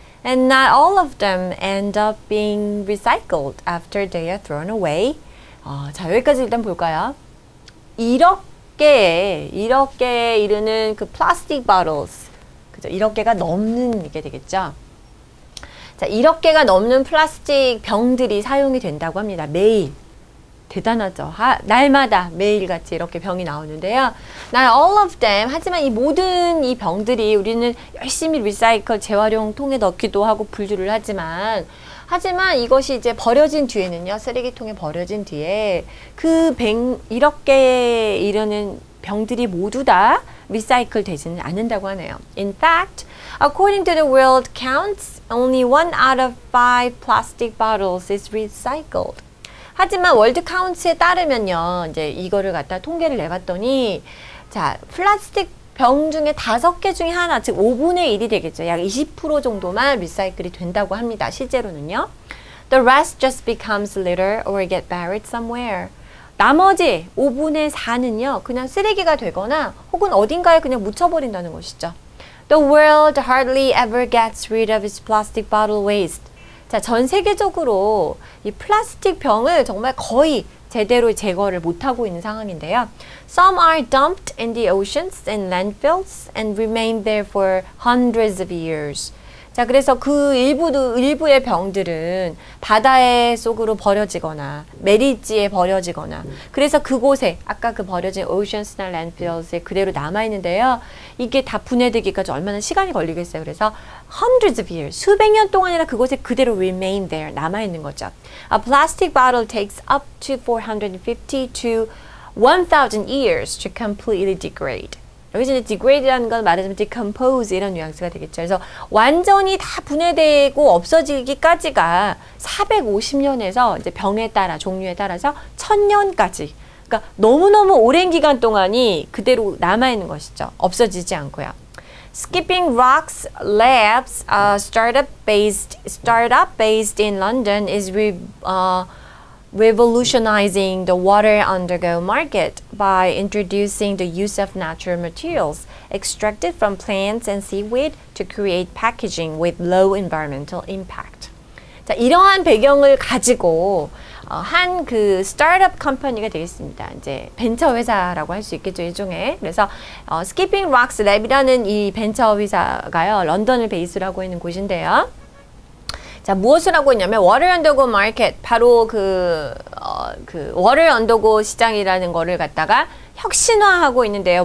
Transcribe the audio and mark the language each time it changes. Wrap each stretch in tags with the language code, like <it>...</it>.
<en>And not all of them end up being recycled after they are thrown away.</en> <ko>자, 여기까지 일단 볼까요? 1억 개에 이르는 그</ko> <en>plastic bottles.</en> <ko>그죠? 1억 개가 넘는 이게 되겠죠? 자, 1억 개가 넘는 플라스틱 병들이 사용이 된다고 합니다. 매일. 대단하죠. 날마다 매일같이 이렇게 병이 나오는데요.</ko> <en>Not all of them.</en> <ko>하지만 이 모든 이 병들이 우리는 열심히 리사이클, 재활용통에 넣기도 하고 분류를 하지만 이것이 이제 버려진 뒤에는요. 쓰레기통에 버려진 뒤에 그 1억 개에 이르는 병들이 모두 다 리사이클 되지는 않는다고 하네요.</ko> <en>In fact, according to the world counts, only 1 out of 5 plastic bottles is recycled.</en> <ko>하지만 월드 카운트에 따르면요, 이제 이거를 갖다 통계를 내봤더니, 자, 플라스틱 병 중에 5개 중에 하나, 즉 5분의 1이 되겠죠. 약 20% 정도만 리사이클이 된다고 합니다. 실제로는요.</ko> <en>The rest just becomes litter or get buried somewhere.</en> <ko>나머지 5분의 4는요, 그냥 쓰레기가 되거나 혹은 어딘가에 그냥 묻혀버린다는 것이죠.</ko> <en>The world hardly ever gets rid of its plastic bottle waste.</en> <ko>자, 전 세계적으로 이 플라스틱 병을 정말 거의 제대로 제거를 못하고 있는 상황인데요.</ko> <en>Some are dumped in the oceans and landfills and remain there for hundreds of years.</en> <ko>자, 그래서 그 일부의 병들은 바다의 속으로 버려지거나 메리지에 버려지거나 그래서 그곳에 아까 그 버려진 oceans나 landfills에 그대로 남아있는데요. 이게 다 분해되기까지 얼마나 시간이 걸리겠어요. 그래서</ko> <en>hundreds of years,</en> <ko>수백 년 동안이나 그곳에 그대로</ko> <en>remain there,</en> <ko>남아있는 거죠.</ko> <en>A plastic bottle takes up to 450 to 1,000 years to completely degrade.</en> <ko>여기서 이제 degrade라는 건 말하자면 decompose 이런 뉘앙스가 되겠죠. 그래서 완전히 다 분해되고 없어지기까지가 450년에서 이제 병에 따라 종류에 따라서 1,000년까지. 그러니까 너무너무 오랜 기간 동안이 그대로 남아있는 것이죠. 없어지지 않고요.</ko> <en>Skipping Rocks Labs, a startup based in London, is revolutionizing the water undergo market by introducing the use of natural materials extracted from plants and seaweed to create packaging with low environmental impact.</en> <ko>자, 이러한 배경을 가지고 한 그 스타트업 컴퍼니가 되겠습니다. 이제 벤처 회사라고 할 수 있겠죠, 일종의. 그래서 Skipping Rocks Lab이라는 이 벤처 회사가요. 런던을 베이스로 하고 있는 곳인데요. 자, 무엇을 하고 있냐면 Water Undergo Market, 바로 그 Water Undergo 시장이라는 거를 갖다가 혁신화하고 있는데요.</ko>